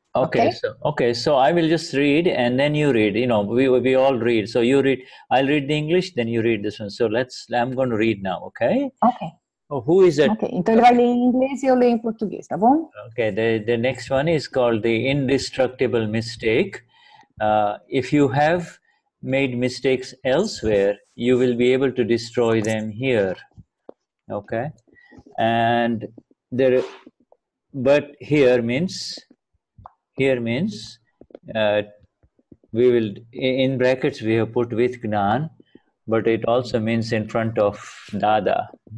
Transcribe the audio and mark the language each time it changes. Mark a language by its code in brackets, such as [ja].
[en] Okay, so I will just read and then you read. You know, we all read. So you read, I'll read the English, then you read this one. So I'm going to read now, okay? Okay. Oh, who is it? [pt] Okay, então ele vai ler em inglês e eu leio em português, tá bom? [en] Okay, the next one is called The Indestructible Mistake. If you have made mistakes elsewhere, you will be able to destroy them here. Okay? And there, but here means we will, in brackets we have put with Gnan, but it also means in front of Dada.